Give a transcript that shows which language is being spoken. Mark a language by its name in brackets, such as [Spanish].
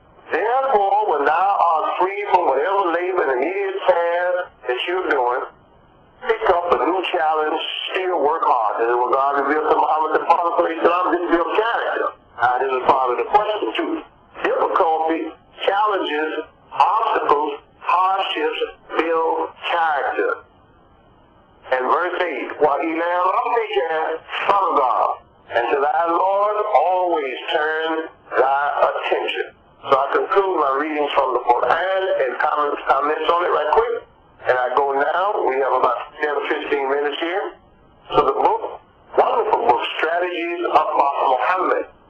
[English] Therefore, when thou art free from whatever labor and immediate task that you're doing, pick up a new challenge, still work hard. This is what God revealed to Muhammad the Prophet, so he said, I'm going to build character. Now, this is part of the question, too. Difficulty, challenges, obstacles, hardships, build character. And verse 8, [Arabic] وَإِلَىٰ رَبِّكَ فَارْغَىٰ. [English] And to thy Lord, always turn thy attention. So I conclude my readings from the Quran and comments on it right quick. And I go now. We have about 10 or 15 minutes here. So the book, wonderful book, Strategies of Prophet Muhammad.